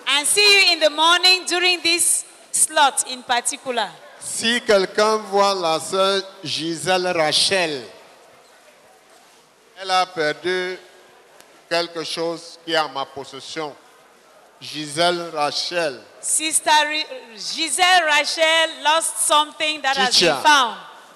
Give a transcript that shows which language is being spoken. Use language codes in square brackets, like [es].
[en] And see you in the morning during this slot in particular. [fr] Si quelqu'un voit la sœur Gisèle Rachel, elle a perdu quelque chose qui est en ma possession. Gisèle Rachel. [en] Sister Gisèle Rachel lost something that Chicha has been found.